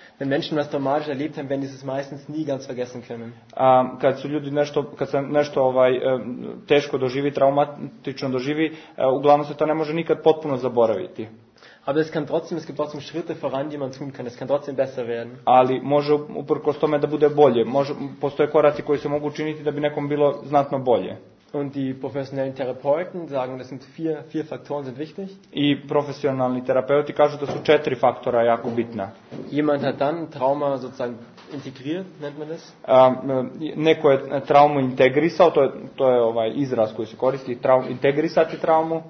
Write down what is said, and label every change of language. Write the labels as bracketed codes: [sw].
[de] Wenn Menschen was traumatisch erlebt haben, werden sie es meistens nie ganz vergessen können. [bs] Kad su ljudi nešto, kad se nešto teško doživi, traumatično doživi, uglavnom se to ne može nikad potpuno zaboraviti. [de] Aber es kann trotzdem, es gibt trotzdem Schritte voran, die man tun kann. Es kann trotzdem besser werden. [bs] Ali može uprkos tome da bude bolje. Postoje koraci koji se mogu učiniti da bi nekom bilo znatno bolje. [de] Und die professionellen Therapeuten sagen, das sind vier Faktoren sind wichtig. [bs] I profesionalni terapeuti kažu da su četiri faktora jako bitna. [de] Jemand hat dann Trauma sozusagen integriert, nennt man das? [bs] Neko je traumu integrisao, to je ovaj izraz koji se koristi, integrisati traumu.